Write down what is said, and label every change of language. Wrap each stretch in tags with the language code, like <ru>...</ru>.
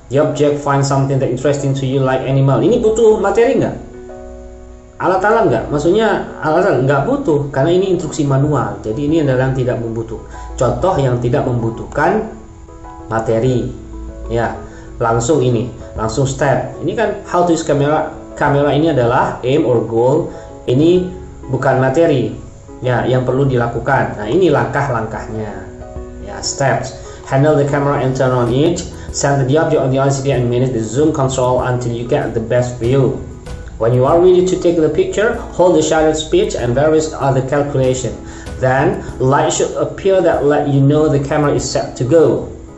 <en>The object find something that interesting to you like animal.</en> <id>Ini butuh materi nggak? Alat-alat enggak? Maksudnya alat-alat enggak butuh karena ini instruksi manual. Jadi ini adalah yang tidak membutuhkan. Contoh yang tidak membutuhkan materi. Ya, langsung ini, langsung step. Ini kan</id> <en>how to use camera.</en> <id>Camera ini adalah</id> <en>aim or goal.</en> <id>Ini bukan materi. Ya, yang perlu dilakukan. Nah, ini langkah-langkahnya.</id> <en>Ya, steps. Handle the camera and turn on it. Center the object on the LCD and manage the zoom control until you get the best view. When you are ready to take the picture, hold the shutter speed and various other calculation. Then, light should appear that let you know the camera is set to go.</en>